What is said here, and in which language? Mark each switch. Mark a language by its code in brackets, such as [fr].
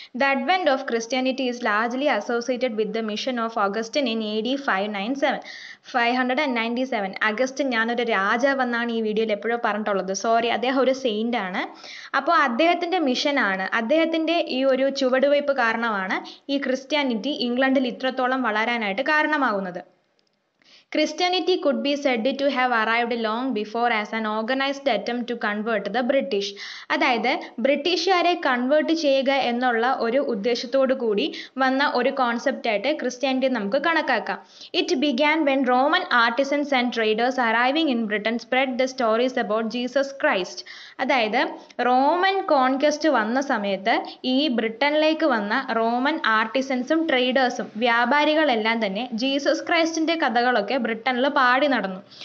[en] The advent of Christianity is largely associated with the mission of Augustine in AD 597. [ml] Augustine ഞാനൊരു രാജാവ് എന്നാണ് ഈ വീഡിയോയിൽ എപ്പോഴും പറഞ്ഞിട്ടുള്ളത്. സോറി, അദ്ദേഹം ഒരു സെയിൻ്റ് ആണ്. അപ്പോൾ അദ്ദേഹത്തിൻ്റെ മിഷനാണ്, അദ്ദേഹത്തിൻ്റെ ഈ ഒരു ചുവടുവയ്പ് കാരണമാണ് ഈ ക്രിസ്ത്യാനിറ്റി ഇംഗ്ലണ്ടിൽ ഇത്രത്തോളം വളരാനായിട്ട് കാരണമാകുന്നത്. [en] Christianity could be said to have arrived long before as an organized attempt to convert the British. [ml] അതായത് ബ്രിട്ടീഷുകാരെ കൺവേർട്ട് ചെയ്യുക എന്നുള്ള ഒരു ഉദ്ദേശത്തോടു കൂടി വന്ന ഒരു കോൺസെപ്റ്റായിട്ട് ക്രിസ്ത്യാനിറ്റി നമുക്ക് കണക്കാക്കാം. [en] It began when Roman artisans and traders arriving in Britain spread the stories about Jesus Christ. [ml] അതായത് റോമൻ കോൺക്വസ്റ്റ് വന്ന സമയത്ത് ഈ ബ്രിട്ടനിലേക്ക് വന്ന റോമൻ ആർട്ടിസൻസും ട്രേഡേഴ്സും വ്യാപാരികളെല്ലാം തന്നെ ജീസസ് ക്രൈസ്റ്റിൻ്റെ കഥകളൊക്കെ ബ്രിട്ടനിൽ പാടി നടന്നു.